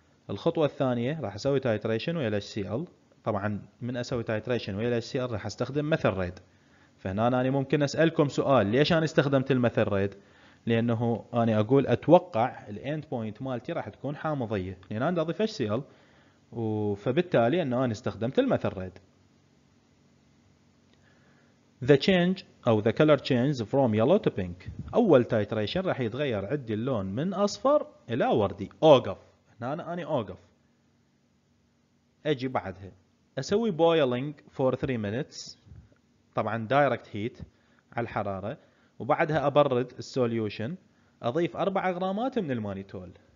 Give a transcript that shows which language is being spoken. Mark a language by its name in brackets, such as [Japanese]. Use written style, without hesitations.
[Arabic] الخطوة الثانية راح اسوي تايتريشن ويا HCl. طبعا من اسوي تايتريشن ويا HCl راح استخدم ميثل ريد. فهنا انا ممكن اسألكم سؤال، ليش انا استخدمت الميثل ريد؟ لانه انا اقول اتوقع الاند بوينت مالتي راح تكون حامضية، لان انا اضيف HCl، فبالتالي انه انا استخدمت الميثل ريد. [English] The change او the color change from yellow to pink. [Arabic] اول تايتريشن راح يتغير عندي اللون من اصفر الى وردي. اوقف أنا أوقف، أجي بعدها أسوي [English] boiling for 3 minutes [Arabic] طبعا [English] direct heat [Arabic] على الحرارة، وبعدها أبرد solution أضيف 4 غرامات من المانيتول.